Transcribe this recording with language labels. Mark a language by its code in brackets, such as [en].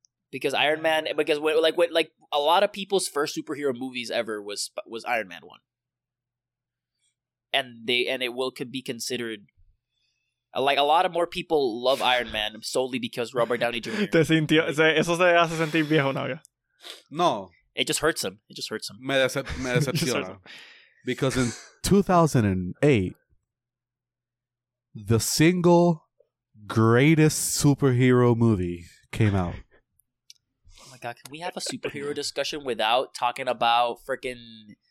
[en] Because Iron Man, because a lot of people's first superhero movies ever was Iron Man 1. And it could be considered like a lot of more people love Iron Man solely because Robert Downey Jr. [es] Te sintió, eso se hace sentir viejo, ¿no? No. [en] It just hurts him. [es] Me decepciona. [en] Because in 2008, the single greatest superhero movie came out. Oh my god, can we have a superhero discussion without talking about freaking...